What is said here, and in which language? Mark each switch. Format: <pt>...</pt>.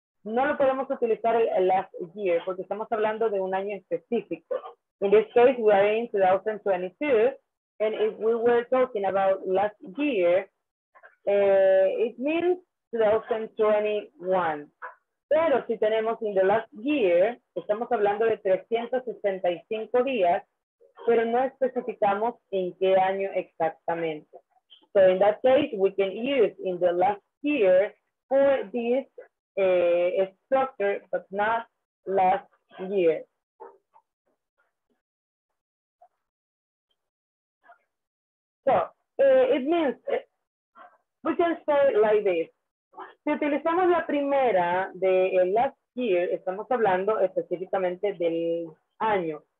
<es>No lo podemos utilizar el last year porque estamos hablando de un año específico.</es> <en>In this case, we are in 2022, and if we were talking about last year, it means 2021.</en> <es>Pero si tenemos in the last year, estamos hablando de 365 días, pero no especificamos en qué año exactamente.</es> <en>So in that case, we can use in the last year for this structure, but not last year. So, it means, we can say like this.</en> <es>Si utilizamos la primera de last year, estamos hablando específicamente del año.</es>